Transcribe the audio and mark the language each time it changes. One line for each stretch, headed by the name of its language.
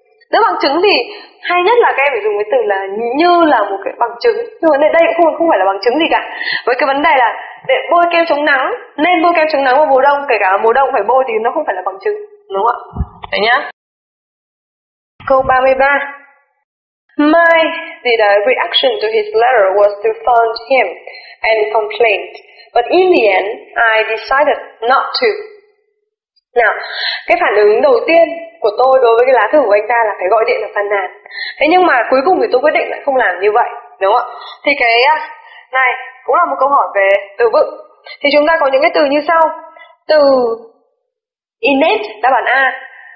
Vietnamese: Nếu bằng chứng thì hay nhất là các em phải dùng cái từ là như là một cái bằng chứng, nhưng vấn đề đây cũng không phải là bằng chứng gì cả. Với cái vấn đề là để bôi kem chống nắng, nên bôi kem chống nắng vào mùa đông, kể cả mùa đông phải bôi thì nó không phải là bằng chứng, đúng không ạ? Đấy nhá. Câu 33.
English: My did a reaction to his letter was to phone him and complain, but in the end I decided not to.
Vietnamese: Nào, cái phản ứng đầu tiên của tôi đối với cái lá thư của anh ta là phải gọi điện và phàn nàn. Thế nhưng mà cuối cùng thì tôi quyết định lại không làm như vậy, đúng không ạ? Thì cái này cũng là một câu hỏi về từ vựng. Thì chúng ta có những cái từ như sau. Từ innate, đáp án A.